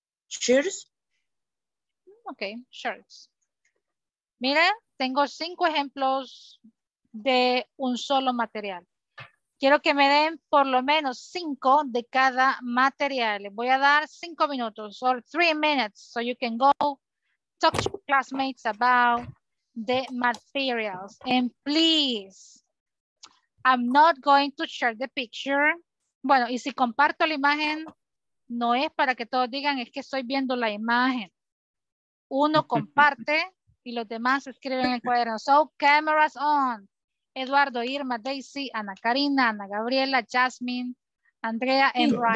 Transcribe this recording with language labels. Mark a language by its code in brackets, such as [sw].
[en] Shirts? Okay, shirts. [es] Mira, tengo 5 ejemplos de un solo material. Quiero que me den por lo menos 5 de cada material. Voy a dar 5 minutos, [en] or 3 minutes, so you can go talk to classmates about the materials. And please, I'm not going to share the picture. [es] Bueno, y si comparto la imagen, no es para que todos digan, es que estoy viendo la imagen. Uno comparte y los demás escriben en el cuaderno. [en] So, cameras on. Eduardo, Irma, Daisy, Ana Karina, Ana Gabriela, Jasmine, Andrea, and Ryan.